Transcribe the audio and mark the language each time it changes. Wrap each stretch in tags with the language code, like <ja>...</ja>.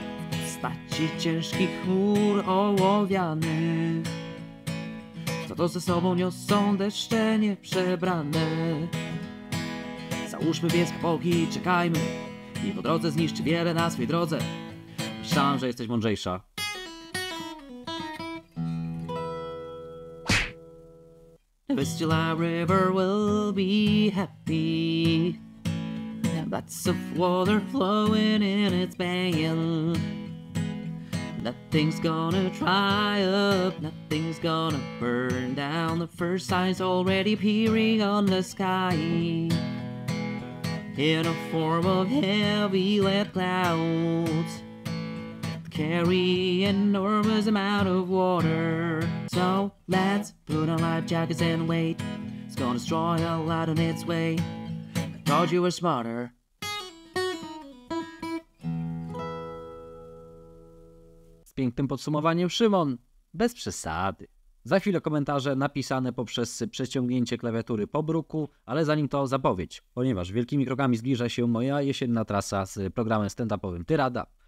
<pl>W postaci ciężkich chmur ołowianych, co to ze sobą niosą deszcze nieprzebrane. Załóżmy więc kapoki, czekajmy i po drodze zniszczy wiele na swej drodze. Myślałam, że jesteś mądrzejsza.</pl> <en>The Vistula River will be happy. Lots of water flowing in its banks. Nothing's gonna dry up, nothing's gonna burn down. The first sign's already peering on the sky in a form of heavy lead clouds, carry enormous amount of water. So let's put on life jackets and wait. It's gonna destroy a lot on its way. I thought you were smarter.</en> <pl>z pięknym podsumowaniem Szymon. Bez przesady. Za chwilę komentarze napisane poprzez przeciągnięcie klawiatury po bruku, ale zanim to zapowiedź, ponieważ wielkimi krokami zbliża się moja jesienna trasa z programem stand-upowym Tyrada.</pl>